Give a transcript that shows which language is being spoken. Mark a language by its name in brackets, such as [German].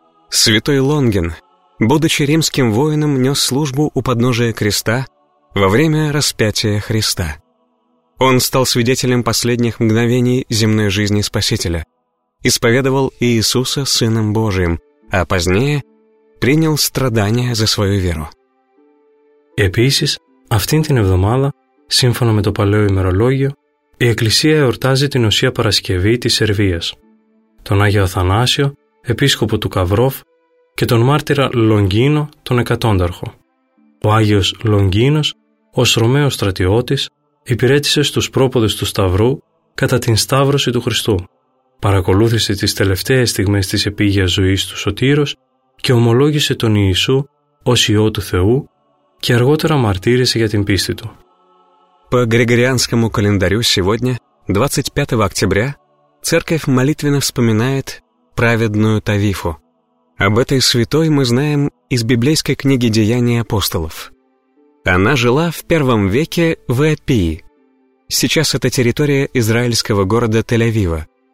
[Russian] Святой Лонгин, будучи римским воином, нес службу у подножия креста во время распятия Христа. Он стал свидетелем последних мгновений земной жизни Спасителя, исповедовал Иисуса Сыном Божиим, а позднее принял страдания за свою веру. [Greek] Επίσης, αυτήν την εβδομάδα, σύμφωνα με το παλαιό ημερολόγιο, η Εκκλησία εορτάζει την Οσία Παρασκευή της Σερβίας, τον Άγιο Αθανάσιο, επίσκοπο του Καβρόφ, και τον μάρτυρα Λονγκίνο, τον Εκατόνταρχο. Ο Άγιος Λονγκίνος, ως Ρωμαίος στρατιώτης, υπηρέτησε στους πρόποδες του Σταυρού κατά την Σταύρωση του Χριστού. παρακολούθησε τις τελευταίες στιγμές της επίγειας ζωής του Σωτήρος και ομολόγησε τον Ιησού ως Υιό του Θεού και αργότερα μαρτύρησε για την πίστη του. [Russian] По Григорианскому календарю сегодня, 25 октября, церковь молитвенно вспоминает праведную Тавифу. Об этой святой мы знаем из библейской книги «Деяния апостолов». Она жила в первом веке в Иопии. Сейчас это территория израильского города Тель-Авива.